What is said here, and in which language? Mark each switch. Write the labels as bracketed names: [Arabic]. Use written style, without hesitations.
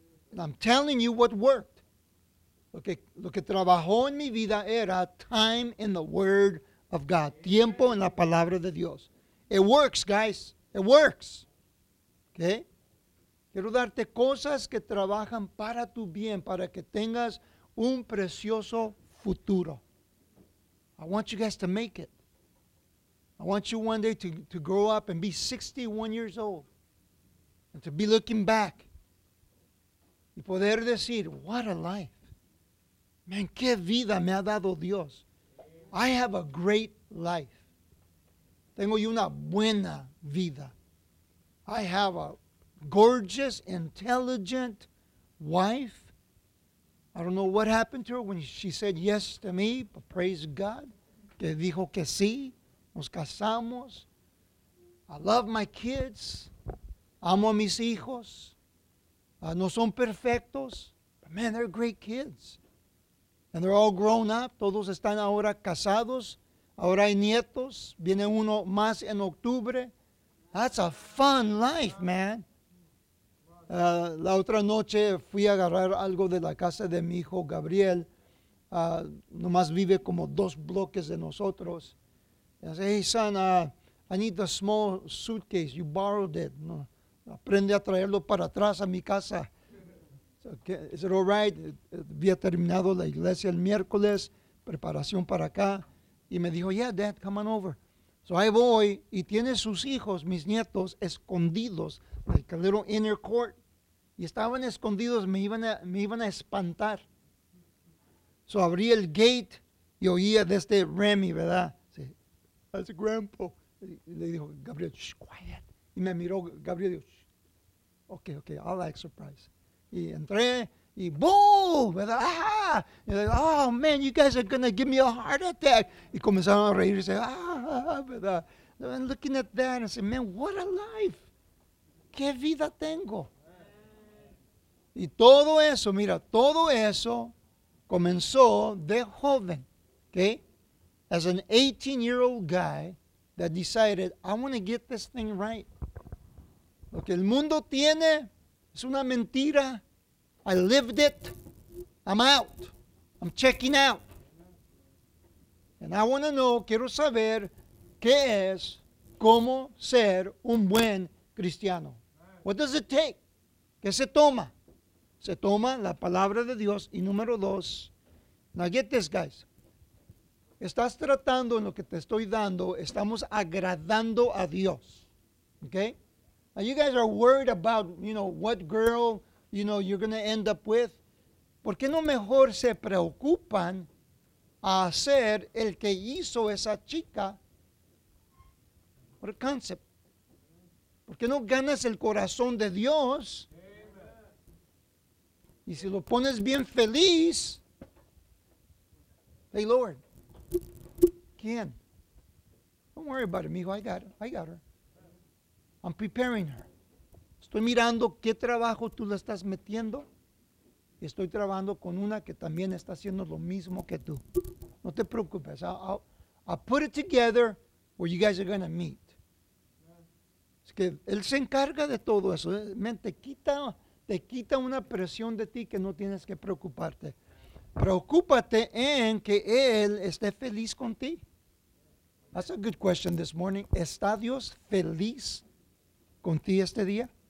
[English] And I'm telling you what worked. [Spanish] Lo que trabajó en mi vida era [English] time in the Word of God. [Spanish] Tiempo en la Palabra de Dios. [English] It works, guys. It works. Okay? [Spanish] Quiero darte cosas que trabajan para tu bien, para que tengas un precioso futuro. [English] I want you guys to make it. I want you one day to grow up and be 61 years old. And to be looking back. [Spanish] Y poder decir, [English] what a life. [Spanish] Man, qué vida me ha dado Dios. [English] I have a great life. [Spanish] Tengo yo una buena vida. [English] I have a gorgeous, intelligent wife. I don't know what happened to her when she said yes to me, but praise God. [Spanish] Que dijo que sí. Nos casamos. [English] I love my kids. [Spanish] Amo a mis hijos. No son perfectos. [English] But man, they're great kids. And they're all grown up. [Spanish] Todos están ahora casados. Ahora hay nietos. Viene uno más en octubre. [English] That's a fun life, man. [Spanish] La otra noche fui a agarrar algo de la casa de mi hijo Gabriel. Nomás vive como dos bloques de nosotros. [English] I said, hey, son, I need the small suitcase. You borrowed it. No. [Spanish] Aprende a traerlo para atrás a mi casa. [English] Okay. Is it all right? [Spanish] Había terminado la iglesia el miércoles, preparación para acá. Y me dijo, [English] yeah, Dad, come on over. So I [Spanish] voy, y tiene sus hijos, mis nietos, escondidos, [English] like a little inner court. [Spanish] Y estaban escondidos, me iban a espantar. So abrí el gate, y oía de este Remy, ¿verdad? Sí. [English] That's a grandpa. [Spanish] Y le dijo, Gabriel, shh, quiet. Y me miró, Gabriel, dijo, shh. [English] Okay, I like surprise. [Spanish] Y entré, y boom, ¿verdad? [English] Ah, like, oh, man, you guys are going to give me a heart attack. [Spanish] Y comenzaron a reír, y say, ah, ¿verdad? [English] And looking at that, and say, man, what a life. [Spanish] ¿Qué vida tengo? Y todo eso, mira, todo eso comenzó de joven, okay? [English] As an 18-year-old guy that decided, I want to get this thing right. [Spanish] Lo que el mundo tiene... Es una mentira. [English] I lived it. I'm out. I'm checking out. And I want to know, [Spanish] quiero saber, ¿qué es cómo ser un buen cristiano? [English] What does it take? [Spanish] ¿Qué se toma? Se toma la palabra de Dios. Y número dos, [English] now get this, guys. [Spanish] Estás tratando en lo que te estoy dando, estamos agradando a Dios. [English] Okay? Now you guys are worried about, you know, what girl, you know, you're going to end up with. [Spanish] ¿Por qué no mejor se preocupan a ser el que hizo esa chica? [English] What a concept. [Spanish] ¿Por qué no ganas el corazón de Dios? Amen. Y si lo pones bien feliz, [English] hey, Lord, [Spanish] ¿quién? [English] Don't worry about it, mijo, I got her. I'm preparing her. [Spanish] Estoy mirando qué trabajo tú le estás metiendo. Estoy trabajando con una que también está haciendo lo mismo que tú. No te preocupes. [English] I'll put it together where you guys are going to meet. [Spanish] Es que él se encarga de todo eso. Man, te quita una presión de ti que no tienes que preocuparte. Preocúpate en que él esté feliz con ti. [English] That's a good question this morning. [Spanish] ¿Está Dios feliz con ti este día?